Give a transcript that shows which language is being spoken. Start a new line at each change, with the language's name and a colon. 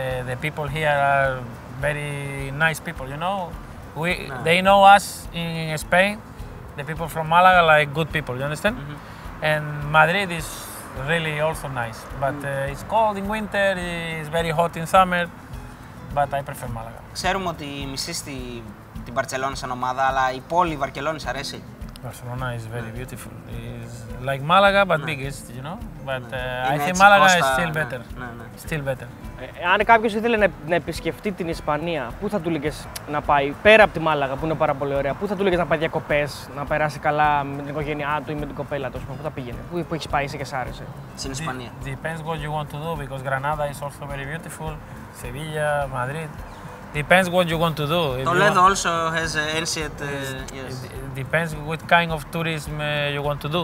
English: The people here are very nice people, you know. They know us in Spain, the people from Malaga, like good people, you understand? Mm-hmm. And Madrid is really also nice, but it's cold in winter, it's very hot in summer, but I prefer Malaga.
Greek: Ξέρουμε ότι μισείς την Μπαρτσελόνα σαν ομάδα, αλλά η πόλη Βαρκελόνης αρέσει?
English: Barcelona is very beautiful. It's like Malaga, but biggest, you know. But I think Malaga is still better. Still better.
Greek: Αν κάποιος ήθελε να επισκεφτεί την Ισπανία, πού θα του λέγες να πάει, πέρα από τη Μάλαγα που είναι πάρα πολύ ωραία, πού θα του λέγες να πάει διακοπές, να περάσει καλά με την οικογένειά του ή με την κοπέλα του, πού θα πήγαινε, πού έχεις πάει και σ' άρεσε? Στην Ισπανία.
English: Depends what you want to do, because Granada is also very beautiful, Sevilla, Madrid. Depends what you want to do. Toledo also has ancient, yes. Depends what kind of tourism you want to do.